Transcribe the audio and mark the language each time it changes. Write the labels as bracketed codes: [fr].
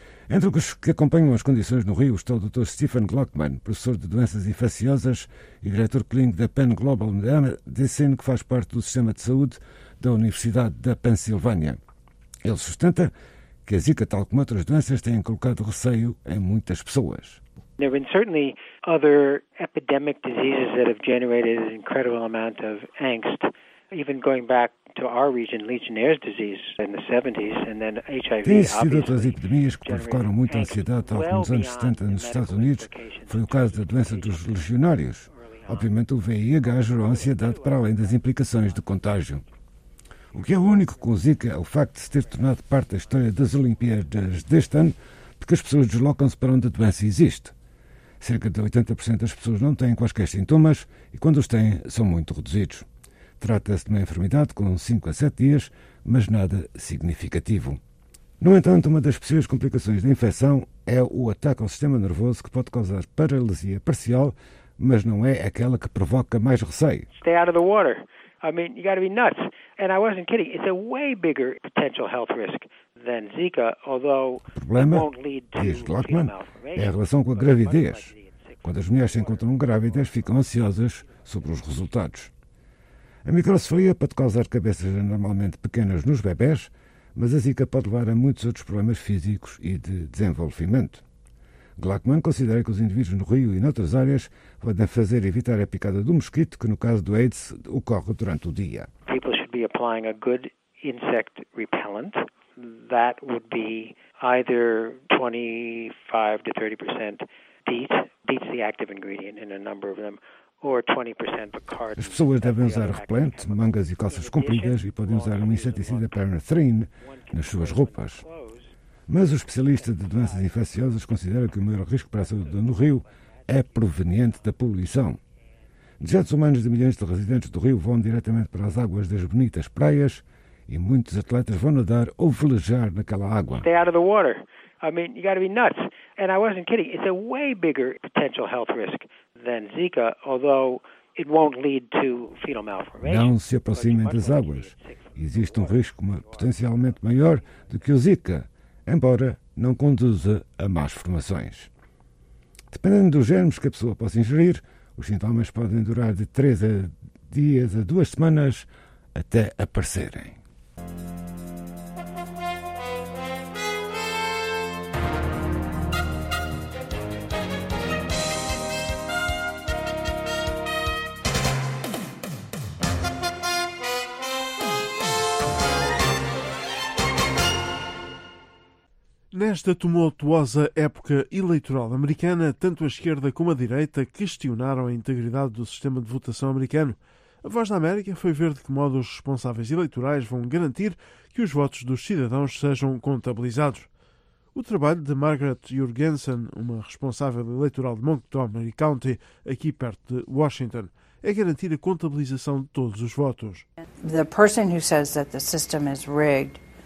[pt] Entre os que acompanham as condições no Rio está o Dr. Stephen Glockman, professor de doenças infecciosas e diretor clínico da Penn Global Medicine, que faz parte do sistema de saúde da Universidade da Pensilvânia. Ele sustenta que a Zika, tal como outras doenças, tem colocado receio em muitas pessoas. [en] There have been certainly other epidemic diseases that have generated an incredible amount of angst, even going back to our region, Legionnaire's disease in the 70s, and then HIV. [pt] Tem existido outras epidemias que provocaram muita ansiedade há alguns anos 70 nos Estados Unidos. Foi o caso da doença dos legionários. Obviamente, o VIH gerou ansiedade para além das implicações de contágio. O que é único com o Zika é o facto de se ter tornado parte da história das Olimpíadas deste ano, porque as pessoas deslocam-se para onde a doença existe. Cerca de 80% das pessoas não têm quaisquer sintomas e, quando os têm, são muito reduzidos. Trata-se de uma enfermidade com 5 a 7 dias, mas nada significativo. No entanto, uma das possíveis complicações da infecção é o ataque ao sistema nervoso, que pode causar paralisia parcial, mas não é aquela que provoca mais receio. [en] Stay out of the water. I mean, you got to be nuts. And I wasn't kidding. It's a way bigger potential health risk than Zika, although it won't lead to female malformation. [pt] É a relação com a gravidez. Quando as mulheres se encontram grávidas, ficam ansiosas sobre os resultados. A microcefalia pode causar cabeças anormalmente pequenas nos bebés, mas a Zika pode levar a muitos outros problemas físicos e de desenvolvimento. Glockman considera que os indivíduos no Rio e noutras áreas podem fazer evitar a picada do mosquito, que no caso do AIDS ocorre durante o dia. [en] People should be applying a good insect repellent. That would be either 25 to 30% DEET. DEET's the active ingredient in a number of them. [pt] As pessoas devem usar repelente, mangas e calças compridas e podem usar um inseticida pernethrine nas suas roupas. Mas o especialista de doenças infecciosas considera que o maior risco para a saúde no Rio é proveniente da poluição. Dejetos humanos de milhões de residentes do Rio vão diretamente para as águas das bonitas praias e muitos atletas vão nadar ou velejar naquela água. [en] Stay out of the water. I mean, you got to be nuts. And I wasn't kidding. It's a way bigger potential health risk than Zika, although it won't lead to fetal malformation. [pt] Não se aproximem das águas. Existe um risco potencialmente maior do que o Zika, embora não conduza a más formações. Dependendo dos germes que a pessoa possa ingerir, os sintomas podem durar de 3 dias a 2 semanas até aparecerem. Nesta tumultuosa época eleitoral americana, tanto a esquerda como a direita questionaram a integridade do sistema de votação americano. A Voz da América foi ver de que modo os responsáveis eleitorais vão garantir que os votos dos cidadãos sejam contabilizados. O trabalho de Margaret Jurgensen, uma responsável eleitoral de Montgomery County, aqui perto de Washington, é garantir a contabilização de todos os votos. [en] The person who says that the system is rigged.